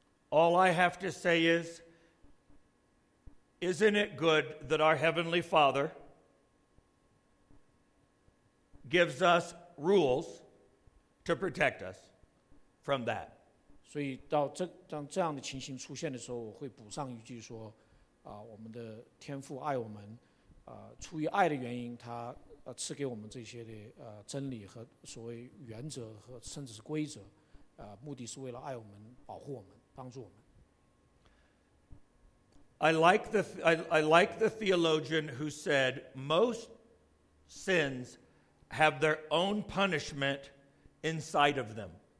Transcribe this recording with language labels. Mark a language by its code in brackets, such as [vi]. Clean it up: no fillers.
[en] All I have to say is, isn't it good that our Heavenly Father gives us rules to protect us from that? [zh] 所以当这样的情形出现的时候，我会补上一句说，我们的天父爱我们，出于爱的原因，他赐给我们这些的真理和所谓原则和甚至是规则，目的是为了爱我们、保护我们、帮助我们。 [en] I like the theologian who said most sins have their own punishment inside of them.